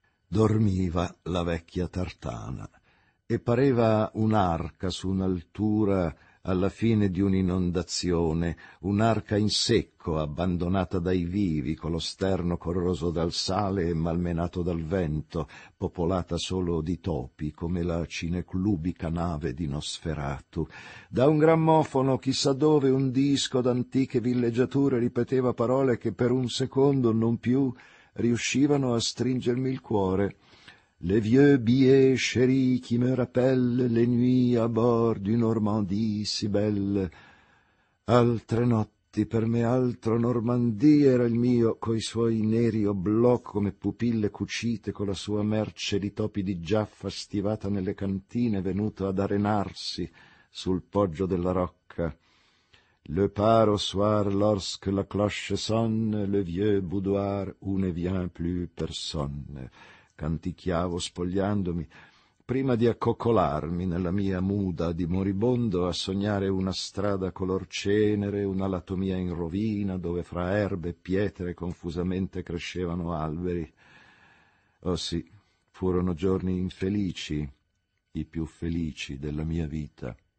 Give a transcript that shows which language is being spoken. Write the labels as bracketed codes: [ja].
[it] Dormiva la vecchia tartana e pareva un'arca su un'altura alla fine di un'inondazione, un'arca in secco abbandonata dai vivi con lo sterno corroso dal sale e malmenato dal vento, popolata solo di topi come la cineclubica nave di Nosferatu. Da un grammofono chissà dove un disco d'antiche villeggiature ripeteva parole che per un secondo non più riuscivano a stringermi il cuore. [fr] Les vieux billets chéris qui me rappellent les nuits à bord du Normandie si belle. [it] Altre notti, per me altro Normandie era il mio, coi suoi neri oblò come pupille cucite, con la sua merce di topi di Giaffa stivata nelle cantine, venuto ad arenarsi sul poggio della rocca. [fr] Le paro soir lorsque la cloche sonne, le vieux boudoir où ne vient plus personne. [it] Canticchiavo spogliandomi, prima di accoccolarmi nella mia muda di moribondo a sognare una strada color cenere, un'alatomia in rovina dove fra erbe e pietre confusamente crescevano alberi. Oh sì, furono giorni infelici, i più felici della mia vita.